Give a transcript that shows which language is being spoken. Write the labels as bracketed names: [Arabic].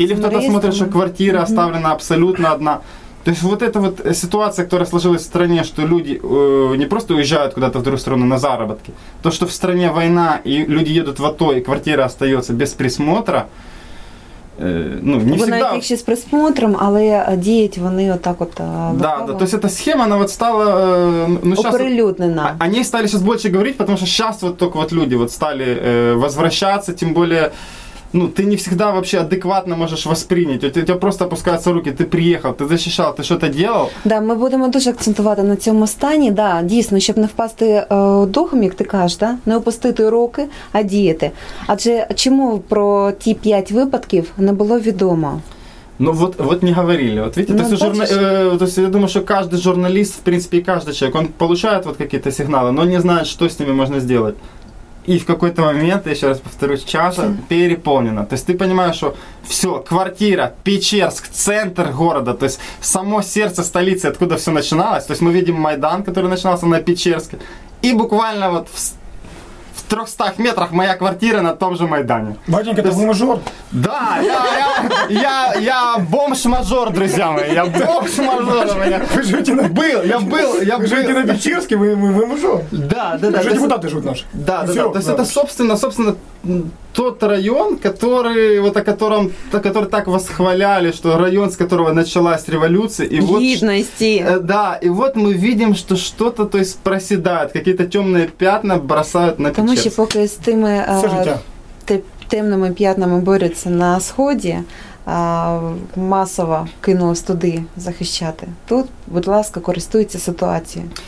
[Russian] или кто-то смотрит, что квартира оставлена абсолютно одна. То есть вот эта вот ситуация, которая сложилась в стране, что люди не просто уезжают куда-то в другую страну на заработки, то, что в стране война, и люди едут в АТО, и квартира остается без присмотра, ну, не всегда... [Ukrainian] Вони ще з присмотром, але діють вони отак от... [Russian] Да, то есть эта схема, она вот стала... [Ukrainian] Оприлюднена. [Russian] О ней стали сейчас больше говорить, потому что сейчас вот только вот люди вот стали возвращаться, тем более... Ну, ты не всегда вообще адекватно можешь воспринять. У тебя просто опускаются руки, [Ukrainian] ти приїхав, ти защищав, [Russian] ти що-то делав. [Ukrainian] Да, ми будемо дуже акцентувати на цьому стані. Да, дійсно, щоб не впасти духом, як ти кажеш, да? Не опустити руки, а діяти. Адже чому про ті 5 випадків не було відомо? [Russian] Ну, вот не говорили. Вот видите, я думаю, что каждый журналист, в принципе, и каждый человек, он получает вот какие-то сигналы, но не знает, что с ними можно сделать. И в какой-то момент, я еще раз повторюсь, чаша переполнена. То есть ты понимаешь, что все, квартира, Печерск, центр города, то есть само сердце столицы, откуда все начиналось. То есть мы видим Майдан, который начинался на Печерске. И буквально вот в 300 метрах моя квартира на том же Майдане. Батенька, ты бомжор? Да, я бомж-мажор, друзья мои. Я бомж-мажор. Вы живете на Печерске, вы мажор. Да. Уже депутаты живут наши. Да. То есть это, собственно, тот район, который так восхваляли, что район, с которого началась революция. И вот, гидности. Да, и вот мы видим, что что-то, то есть, проседает, какие-то темные пятна бросают на Печерск. [Ukrainian] Ще поки з тими темними п'ятнами борються на сході, масово кинулось туди захищати. Тут, будь ласка, користуйтесь ситуацією.